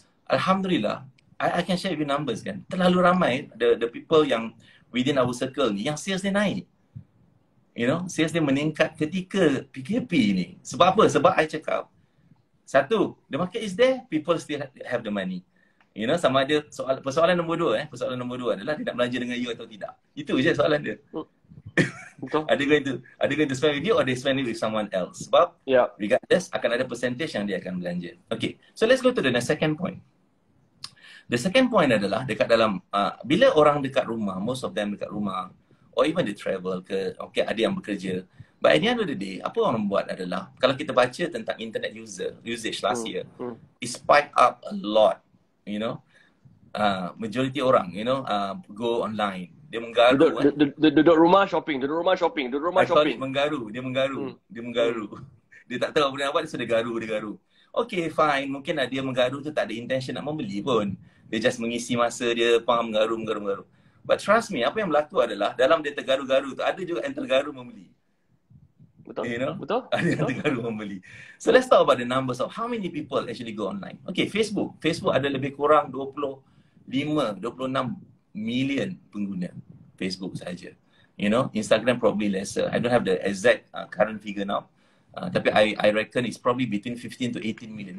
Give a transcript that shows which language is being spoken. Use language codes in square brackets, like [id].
[en] Alhamdulillah, I can share with you numbers kan. [ms] Terlalu ramai [en] the people yang within our circle ni, yang sales dia naik. [ms] You know, sales dia meningkat ketika PKP ni. Sebab apa? [en] Sebab I cakap, satu, the market is there, people still have the money. [ms] You know, sama ada persoalan nombor dua adalah dia nak belanja dengan you atau tidak. Itu je soalan dia. [en] Are they going to spend with you or they spend it with someone else? Sebab regardless, [ms] akan ada percentage yang dia akan belanja. [en] Okay, so let's go to the second point. [ms] The second point adalah dekat dalam bila orang dekat rumah, [en] most of them [ms] dekat rumah, or even they travel ke, okay, ada yang bekerja. [en] But at the end of the day, [ms] apa orang buat adalah, kalau kita baca tentang [en] internet usage last year, it spiked up a lot, you know. [ms] Majority orang, you know, go online. Dia menggaru. Duduk rumah shopping. Dia menggaru. Dia tak tahu apa nak buat, dia sudah garu. Okay, fine. Mungkin dia menggaru tu tak ada intention nak membeli pun. Dia just mengisi masa dia, faham, garu. But trust me, apa yang berlaku adalah dalam dia tergaru-garu tu, ada juga yang tergaru membeli. Betul. [en] You know? [ms] Betul. Ada yang tergaru membeli. [en] So let's talk about the numbers of how many people actually go online. [ms] Okay, Facebook. Facebook ada lebih kurang 25-26 million pengguna Facebook saja. [en] You know, Instagram probably lesser. I don't have the exact current figure now. [ms] Tapi [en] I reckon it's probably between 15 to 18 million.